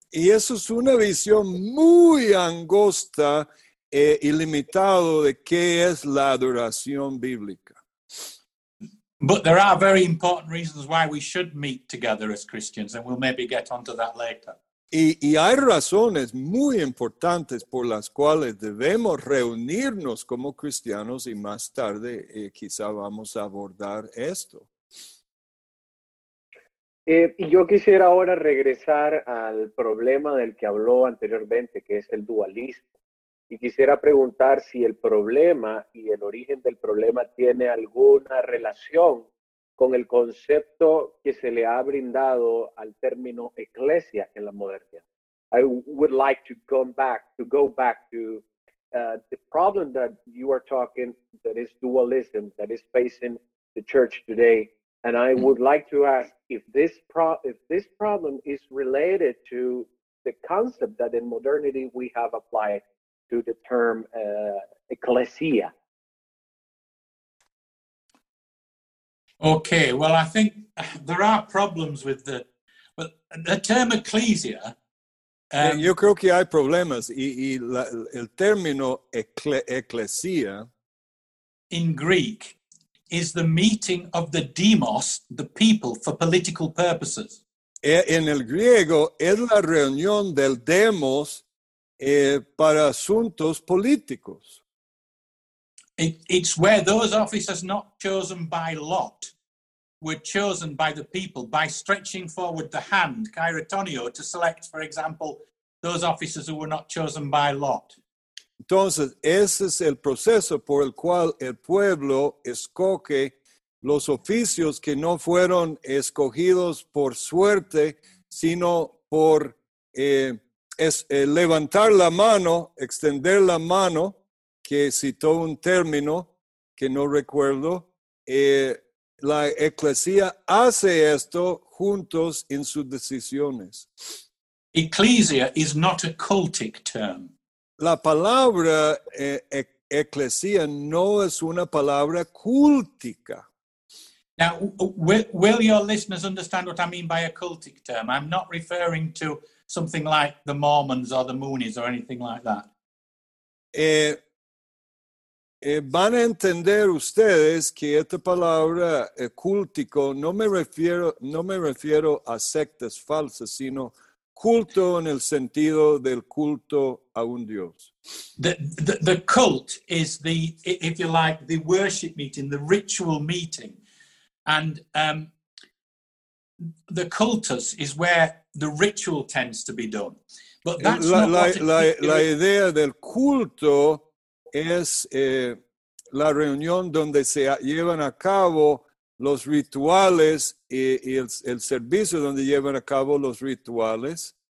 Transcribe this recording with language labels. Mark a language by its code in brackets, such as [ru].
[es] Y eso es una visión muy angosta e ilimitado de qué es la adoración bíblica. [en] But there are very important reasons why we should meet together as Christians, and we'll maybe get onto that later. [es] Y hay razones muy importantes por las cuales debemos reunirnos como cristianos, y más tarde quizá vamos a abordar esto. Yo quisiera ahora regresar al problema del que habló anteriormente, que es el dualismo. Y quisiera preguntar si el problema y el origen del problema tiene alguna relación con el concepto que se le ha brindado al término eclesia en la modernidad. [en] I would like to go back to the problem that you are talking, that is dualism, that is facing the church today. And I would like to ask if this problem is related to the concept that in modernity we have applied to the term ecclesia. Okay, well, I think there are problems with the term ecclesia. [es] Yo creo que hay problemas y el término ecclesia [en] in Greek is the meeting of the demos, the people, for political purposes. [es] En el griego, es la reunión del demos para asuntos políticos. [en] It's where those officers not chosen by lot were chosen by the people by stretching forward the hand, kairotonio, to select, for example, those officers who were not chosen by lot. [es] Entonces, ese es el proceso por el cual el pueblo escoge los oficios que no fueron escogidos por suerte, sino por levantar la mano, extender la mano, que citó un término que no recuerdo. La eclesía hace esto juntos en sus decisiones. [en] Ecclesia is not a cultic term. [es] La palabra eclesia no es una palabra cultica. [en] Now, will your listeners understand what I mean by a cultic term? I'm not referring to something like the Mormons or the Moonies or anything like that. [es] Van a entender ustedes que esta palabra cúltico no me refiero a sectas falsas, sino culto en el sentido del culto a un Dios. [en] The cult is the, if you like, the worship meeting, the ritual meeting. And the cultus is where the ritual tends to be done. But that's [es] la idea del culto es la reunión donde se llevan a cabo los rituales y el servicio donde llevan a cabo los rituales.